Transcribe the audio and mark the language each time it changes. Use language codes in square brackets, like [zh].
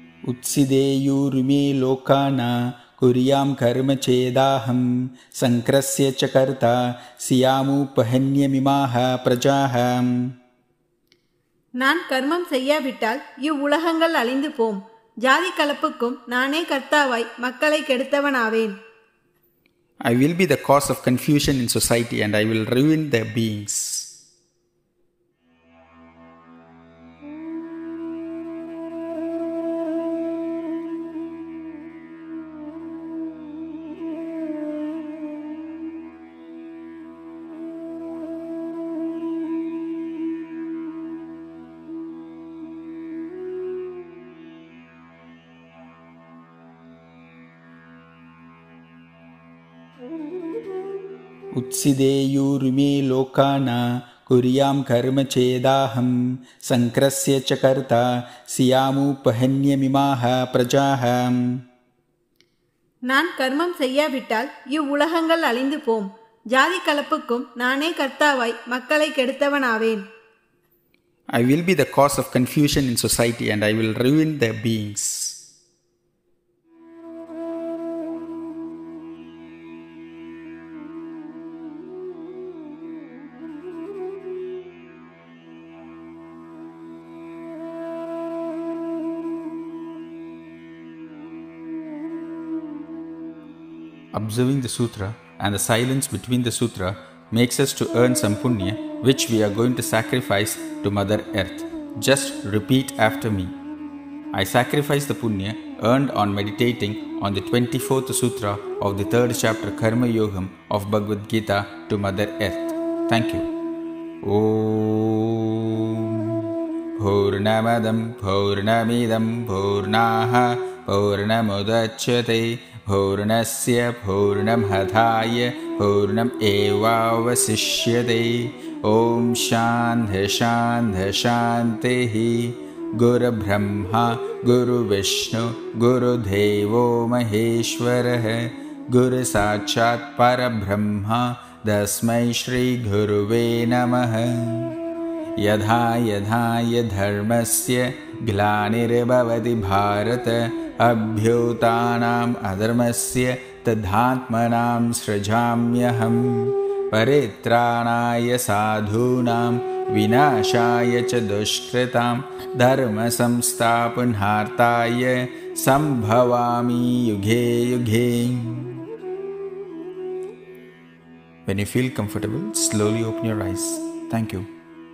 [sa] உத்சிதேயூருமே லோகானா குரியாம் கர்ம சேதாஹம் சங்கரஸ்ய ச கர்த்தா சியாமுபஹன்யமிமாஹ பிரஜாஹம். [ta] நான் கர்மம் செய்யாவிட்டால் இவ்வுலகங்கள் அழிந்து போம். ஜாதி கலப்புக்கும் நானே கர்த்தாவாய் மக்களை கெடுத்தவனாவேன். [en] I will be the cause of confusion in society and I will ruin their beings. [sa] உத்சிதேயூருமே லோகானா குரியாம் கர்ம சேதாஹம் சங்கரஸ்ய ச கர்த்தா சியாமுபஹன்யமிமாஹ பிரஜாஹம். [ta] நான் கர்மம் செய்யாவிட்டால் இவ்வுலகங்கள் அழிந்து போம். ஜாதி கலப்புக்கும் நானே கர்த்தாவாய் மக்களை கெடுத்தவனாவேன். [en] I will be the cause of confusion in society and I will ruin their beings. Observing the sutra and the silence between the sutra makes us to earn some punya which we are going to sacrifice to Mother Earth. Just repeat after me. I sacrifice the punya earned on meditating on the 24th sutra of the 3rd chapter Karma Yogam of Bhagavad Gita to Mother Earth. Thank you. [sa] Om Purnamadam Purnamidam Purnaha Purnamudachyate பூர்ணஸ்ய பூர்ணமாதாய பூர்ணம் ஏவாவசிஷ்யதே. ஓம் சாந்தி சாந்தி சாந்தி. குரு ப்ரஹ்மா குரு விஷ்ணு குரு தேவோ மகேஸ்வர குரு சாட்சாத் பரப்ரஹ்மா தஸ்மை ஸ்ரீ குருவே நமஹ. யதா யதாய தர்மஸ்ய க்லானிர்பவதி பாரத அப்யூதானாம் அதர்மஸ்ய ததாத்மனாம் ஸ்ரஜாம்யஹம். பரித்ராணாய சாதூனாம் விநாசாய ச துஷ்கிருதாம் தர்ம சம்ஸ்தாபுனார்த்தாய சம்பவாமி UK UK. [en] When you feel comfortable, slowly open your eyes. Thank you.